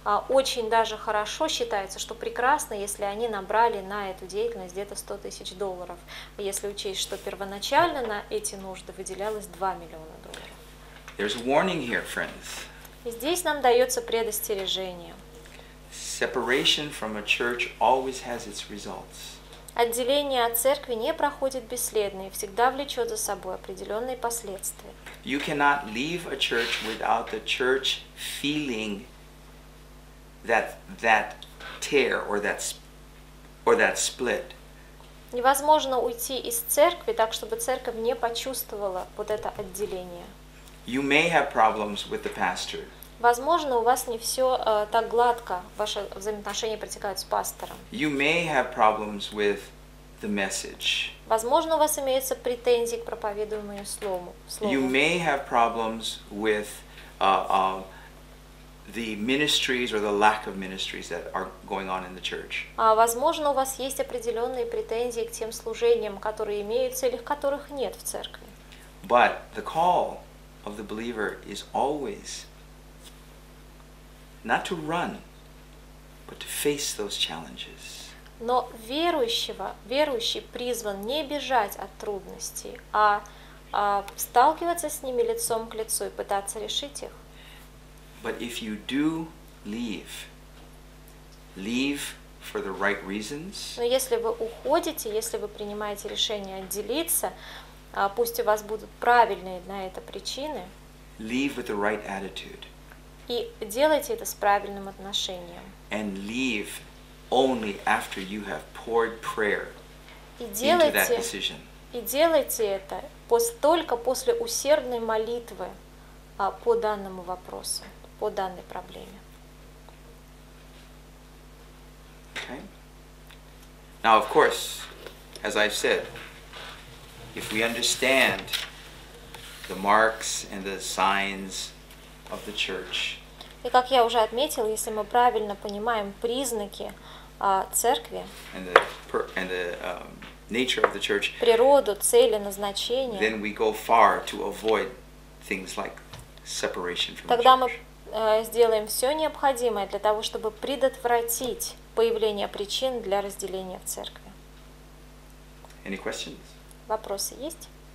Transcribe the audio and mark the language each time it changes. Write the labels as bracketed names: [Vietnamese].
[Russian] Очень даже хорошо считается, что прекрасно, если они набрали на эту деятельность где-то $100,000, если учесть, что первоначально на эти нужды выделялось $2 million. [English] There's a warning here, friends. [Russian] Здесь нам дается предостережение. [English] Separation from a church always has its results. [Russian] Отделение от церкви не проходит бесследно и всегда влечет за собой определенные последствия. [English] You cannot leave a church without the church feeling that tear or that split. [Russian] Невозможно уйти из церкви так, чтобы церковь не почувствовала вот это отделение. [English] You may have problems with the pastor. [Russian] Возможно, у вас не все так гладко, ваши взаимоотношения протекают с пастором. [English] You may have problems with the message. [Russian] Возможно, у вас имеются претензии к проповедуемому слову. [English] You may have problems with the ministries or the lack of ministries that are going on in the church. [Russian] Возможно, у вас есть определенные претензии к тем служениям, которые имеются или которых нет в церкви. [English] But the call of the believer is always not to run, but to face those challenges. [Russian] Но верующий призван не бежать от трудностей, а сталкиваться с ними лицом к лицу и пытаться решить их. [English] But if you do leave, leave for the right reasons. [Russian] Но если вы уходите, если вы принимаете решение отделиться, пусть у вас будут правильные на это причины. [English] Leave with the right attitude. [Russian] И делайте это с правильным отношением. [English] And leave only after you have poured prayer into that decision. [Russian] И делайте это только после усердной молитвы по данному вопросу, по данной проблеме. [English] Okay. Now, of course, as I've said, if we understand the marks and the signs of the church. [Russian] И как я уже отметил, если мы правильно понимаем признаки церкви, [English] and the, nature of the church, [Russian] природу, цели, назначение, [English] then we go far to avoid things like separation from [Russian] тогда [English] the church. [Russian] Мы сделаем все необходимое для того, чтобы предотвратить появление причин для разделения в церкви. [English] Any questions? [Russian] Вопросы есть?